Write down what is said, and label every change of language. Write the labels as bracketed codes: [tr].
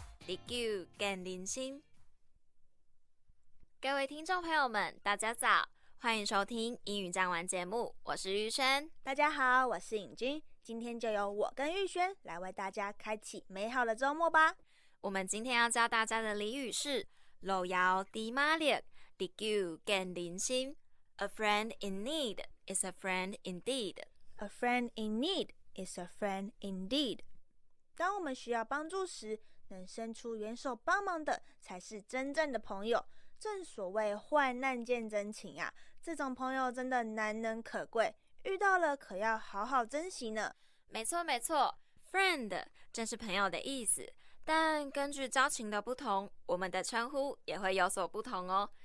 [zh] 地久见人心，各位听众朋友们，大家早，欢迎收听英语醬玩节目，我是玉萱。大家好，我是尹君，今天就由我跟玉萱来为大家开启美好的周末吧。我们今天要教大家的俚语是路遥知马力，地久见人心。 [en] A friend in need is a friend indeed. A friend in need is a friend indeed. [zh] 当我们需要帮助时，能伸出援手帮忙的才是真正的朋友，正所谓患难见真情啊，这种朋友真的难能可贵，遇到了可要好好珍惜呢。没错没错， friend 正是朋友的意思，但根据交情的不同，我们的称呼也会有所不同哦。